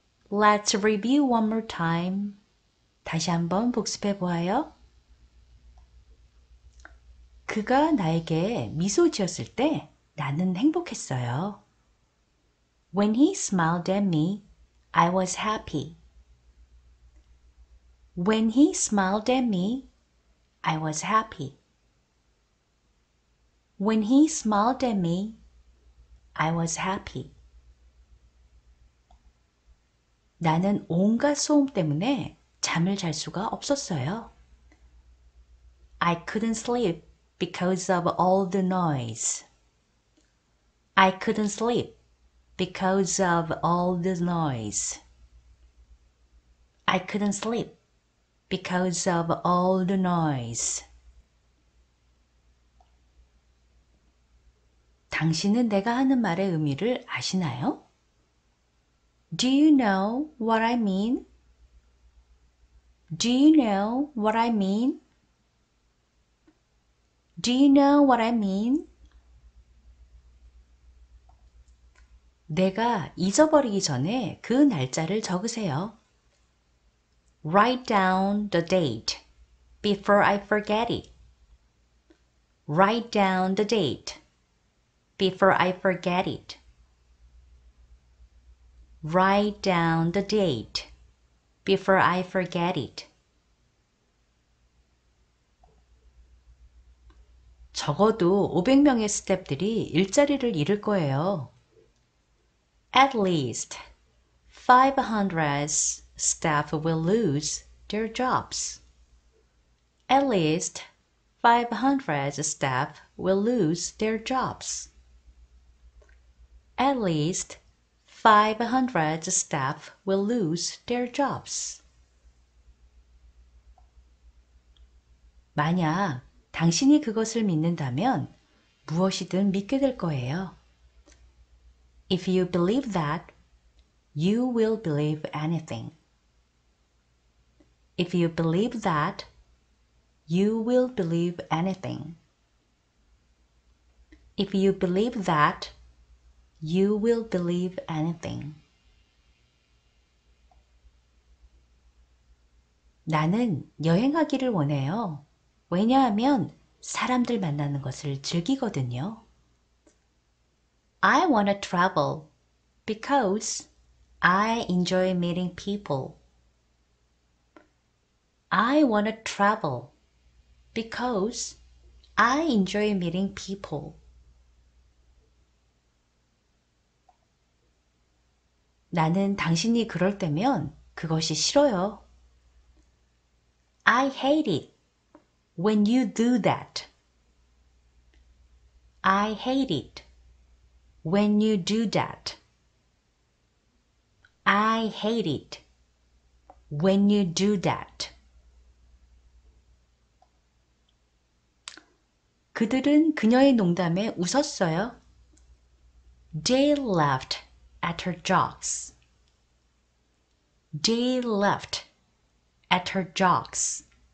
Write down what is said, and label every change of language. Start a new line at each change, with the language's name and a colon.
English: Let's review one more time.
Korean: 다시 한번 복습해 보아요. 그가 나에게 미소 지었을 때 나는 행복했어요.
English: When he smiled at me, I was happy. When he smiled at me, I was happy. When he smiled at me, I was happy.
Korean: 나는 온갖 소음 때문에 잠을 잘 수가 없었어요.
English: I couldn't sleep. Because of all the noise. I couldn't sleep because of all the noise. I couldn't sleep because of all the noise.
Korean: 당신은 내가 하는 말의 의미를 아시나요?
English: Do you know what I mean? Do you know what I mean? Do you know what I mean?
Korean: 내가 잊어버리기 전에 그 날짜를 적으세요.
English: Write down the date before I forget it. Write down the date before I forget it. Write down the date before I forget it.
Korean: 적어도 500명의 스태프들이 일자리를 잃을 거예요.
English: At least 500 staff will lose their jobs. At least 500 staff will lose their jobs. At least 500 staff will lose their jobs.
Korean: 만약 당신이 그것을 믿는다면 무엇이든 믿게 될 거예요.
English: If you believe that, you will believe anything. If you believe that, you will believe anything. If you believe that, you will believe anything.
Korean: 나는 여행하기를 원해요. 왜냐하면 사람들 만나는 것을 즐기거든요.
English: I want to travel because I enjoy meeting people. I want to travel because I enjoy meeting people.
Korean: 나는 당신이 그럴 때면 그것이 싫어요.
English: I hate it. When you do that, I hate it. When you do that, I hate it. When you do that.
Korean: 그들은 그녀의 농담에 웃었어요.
English: They laughed at her jokes. They laughed at her jokes.